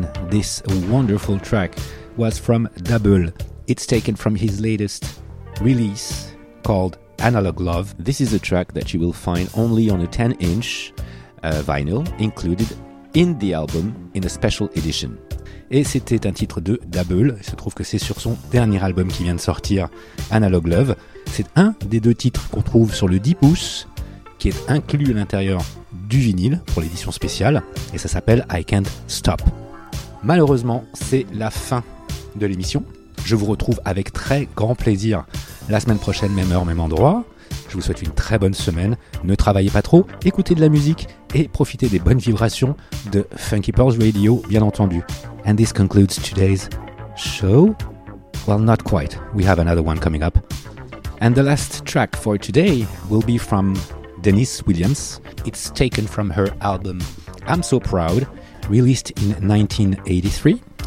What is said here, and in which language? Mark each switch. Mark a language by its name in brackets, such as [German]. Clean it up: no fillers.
[English] this wonderful track was from Double. It's taken from his latest release called Analog Love. This is a track that you will find only on a 10-inch vinyl included in the album in a special edition. [French] Et c'était un titre de Double. Il se trouve que c'est sur son dernier album qui vient de sortir, Analog Love. C'est un des deux titres qu'on trouve sur le 10 pouces qui est inclus à l'intérieur du vinyle pour l'édition spéciale et ça s'appelle I Can't Stop. Malheureusement, c'est la fin de l'émission. Je vous retrouve avec très grand plaisir la semaine prochaine, même heure, même endroit. Je vous souhaite une très bonne semaine. Ne travaillez pas trop, écoutez de la musique et profitez des bonnes vibrations de Funky Pearls Radio, bien entendu. [English] And this concludes today's show. Well, not quite. We have another one coming up. And the last track for today will be from Denise Williams. It's taken from her album I'm So Proud, released in 1983.